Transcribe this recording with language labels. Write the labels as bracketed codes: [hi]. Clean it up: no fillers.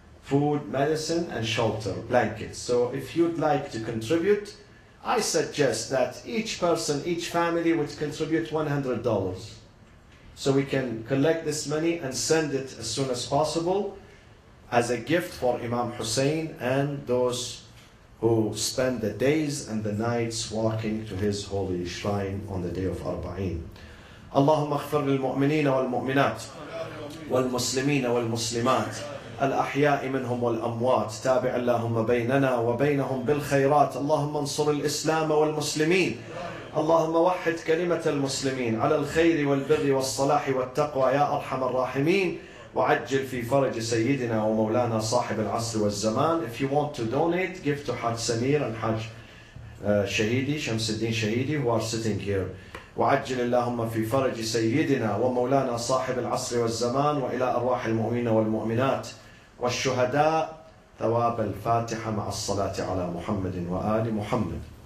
[en] Food, medicine, and shelter, blankets. So if you'd like to contribute, I suggest that each person, each family would contribute $100. So we can collect this money and send it as soon as possible as a gift for Imam Hussein and those who spend the days and the nights walking to his holy shrine on the day of Arba'een. [ar] Allahumma aghfir lil mu'minina wal mu'minat wal muslimina wal muslimat الأحياء منهم والأموات تابع اللهم بيننا وبينهم بالخيرات اللهم انصر الإسلام والمسلمين اللهم وحد كلمة المسلمين على الخير والبر والصلاح والتقوى يا أرحم الراحمين وعجل في فرج سيدنا ومولانا صاحب العصر والزمان. [en] If you want to donate, give to Haj Samir and Haj Shahidi, Shams al-Din Shahidi, who are sitting here. [ar] وعجل اللهم في فرج سيدنا ومولانا صاحب العصر والزمان وإلى أرواح المؤمنين والمؤمنات والشهداء ثواب الفاتحة مع الصلاة على محمد وآل محمد.